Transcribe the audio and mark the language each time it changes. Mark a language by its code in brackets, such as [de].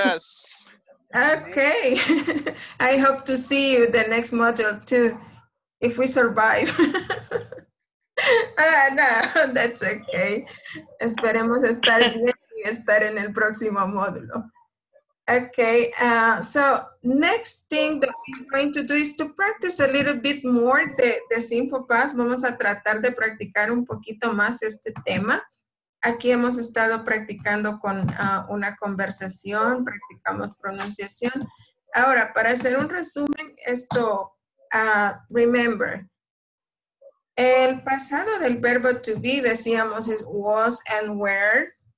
[en] Class. Okay. I hope to see you the next module too, if we survive. no, that's okay. [es] Esperemos estar bien y estar en el próximo módulo. [en] Okay, so next thing that we're going to do is to practice a little bit more the simple past. [es] Vamos a tratar de practicar un poquito más este tema. Aquí hemos estado practicando con una conversación, practicamos pronunciación. Ahora, para hacer un resumen, esto, [en] remember, [es] el pasado del verbo to be, decíamos, es was and were.